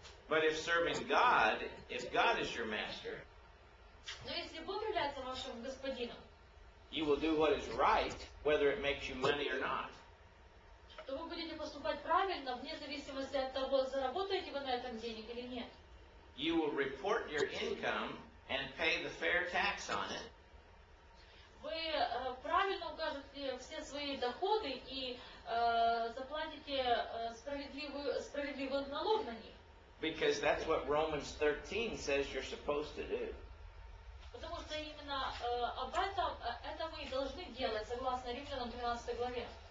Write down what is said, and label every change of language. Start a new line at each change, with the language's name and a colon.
English: But if serving God, if God is your master,
Russian: но если Бог является вашим господином,
English: you will do what is right, whether it makes you money or not.
Russian: То вы будете поступать правильно, вне зависимости от того, заработаете вы на этом денег или нет.
English: You will report your income and pay the fair tax on it.
Russian: Вы правильно укажете все свои доходы и заплатите справедливый налог на них.
English: Because that's what Romans 13 says you're supposed to do.
Russian: Потому что именно об этом это мы и должны делать, согласно Римлянам 13 главе.